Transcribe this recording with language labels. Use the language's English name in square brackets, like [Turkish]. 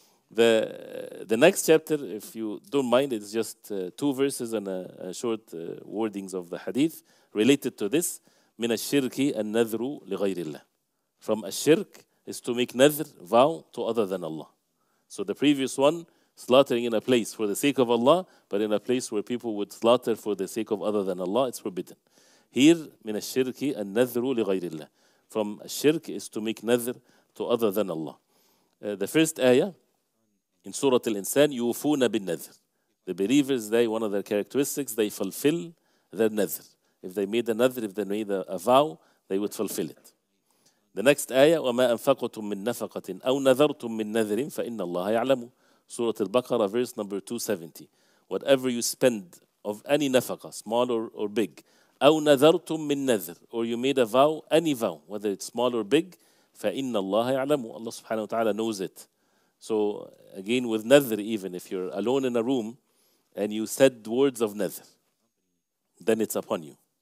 [English] The next chapter, if you don't mind, it's just two verses and a short wordings of the hadith related to this. [Arabic] مِنَ الشِّرْكِ النَّذْرُ لِغَيْرِ اللَّهِ. [English] From a shirk is to make nadr, vow, to other than Allah. So the previous one, slaughtering in a place for the sake of Allah, but in a place where people would slaughter for the sake of other than Allah, it's forbidden. [Arabic] Here, مِنَ الشِّرْكِ النَّذْرُ لِغَيْرِ اللَّهِ. [English] From a shirk is to make nadr to other than Allah. The first ayah, in Surah Al-Insan, [Arabic] يُوفُونَ بِالنَّذْرِ. [English] The believers, they, one of their characteristics, they fulfill their nadr. If they made a nadr, if they made a vow, they would fulfill it. The next ayah, [Arabic] وَمَا أَنْفَقَتُمْ مِنْ نَفَقَةٍ أَوْ نَذَرْتُمْ مِنْ نَذْرٍ فَإِنَّ اللَّهَ يَعْلَمُ. [English] Surah Al-Baqarah, verse number 270. Whatever you spend of any nafaqa, small or big, [Arabic] أَوْ نَذَرْتُمْ مِنْ نَذْرٍ, [English] or you made a vow, any vow, whether it's small or big, [Arabic] فَإِنَّ اللَّهَ يَعْلَمُ. [English] Allah subhanahu wa ta'ala knows it. So again, with nadr, even if you're alone in a room and you said words of nadr, then it's upon you.